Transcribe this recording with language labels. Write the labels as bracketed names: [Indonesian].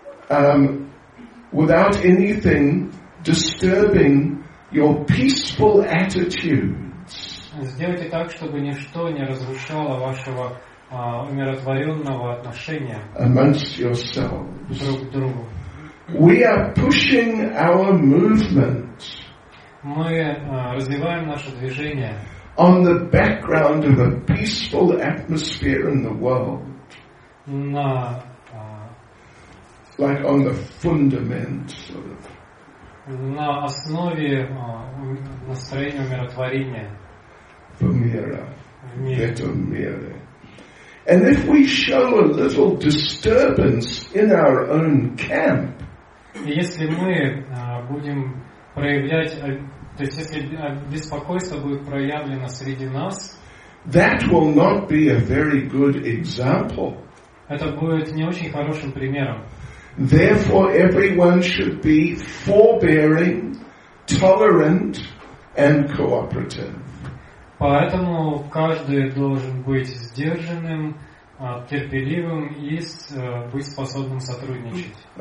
[English] Without anything disturbing your peaceful attitudes. [Russian] Сделайте так, чтобы ничто не разрушало вашего умиротворенного отношения [English] amongst yourselves. [Russian] Друг к другу. [English] We are pushing our movement. [Russian] Мы развиваем наше движение. [English] On the background of a peaceful atmosphere in the world. [Russian] На [English] like on the fundament sort of. [Russian] На основе настроения умиротворения. Помира. [English] And if we show a little disturbance in our own camp, [Russian] если мы будем проявлять, то есть если беспокойство будет проявлено среди нас, [English] that will not be a very good example. [Russian] Это будет не очень хорошим примером. [English] Therefore, everyone should be forbearing, tolerant, and cooperative. [Russian] Поэтому каждый должен быть сдержанным, терпеливым и быть способным сотрудничать.